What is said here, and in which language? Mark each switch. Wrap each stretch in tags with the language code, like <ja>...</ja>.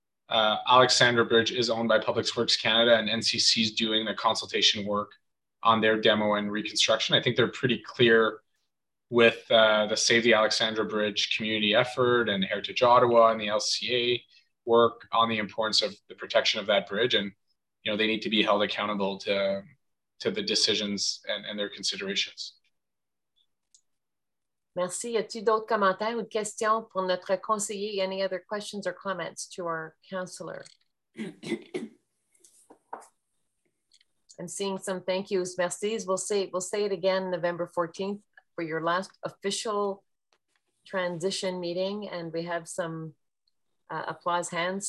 <en>Alexandra Bridge is owned by Public Works Canada, and NCC is doing the consultation work on their demo and reconstruction. I think they're pretty clear with the Save the Alexandra Bridge community effort and Heritage Ottawa and the LCA work on the importance of the protection of that bridge. And, you know, they need to be held accountable to the decisions and their considerations.</en> <fr>Merci. As-tu d'autres commentaires ou questions pour notre conseiller?</fr> <en>Any other questions or comments to our counselor? I'm seeing some thank yous. Merci. We'll say it again November 14th for your last official transition meeting. And we have some applause hands.</en>